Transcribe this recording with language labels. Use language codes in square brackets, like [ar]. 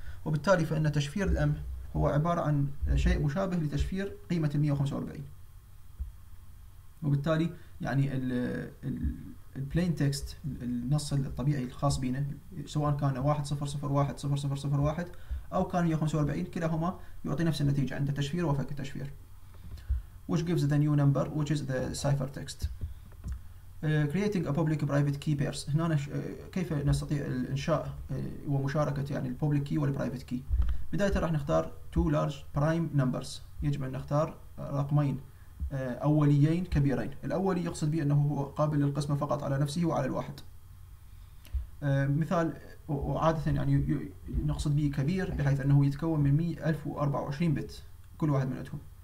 [ar] وبالتالي فان تشفير الام هو عباره عن شيء مشابه لتشفير قيمه 145. وبالتالي يعني البلين تكست النص الطبيعي الخاص بنا سواء كان 1001001 او كان 145 كلاهما يعطي نفس النتيجه عند التشفير وفك التشفير. [en] Which gives the new number which is the cipher text. Creating a public private key pairs. [ar] هنا كيف نستطيع الانشاء ومشاركه يعني البوبليك كي والبرايفت كي. بدايه راح نختار [en] two large prime numbers. [ar] يجب ان نختار رقمين اوليين كبيرين، الاولي يقصد به انه هو قابل للقسمه فقط على نفسه وعلى الواحد. مثال وعاده يعني نقصد به كبير بحيث انه يتكون من 1024 بت كل واحد منهم.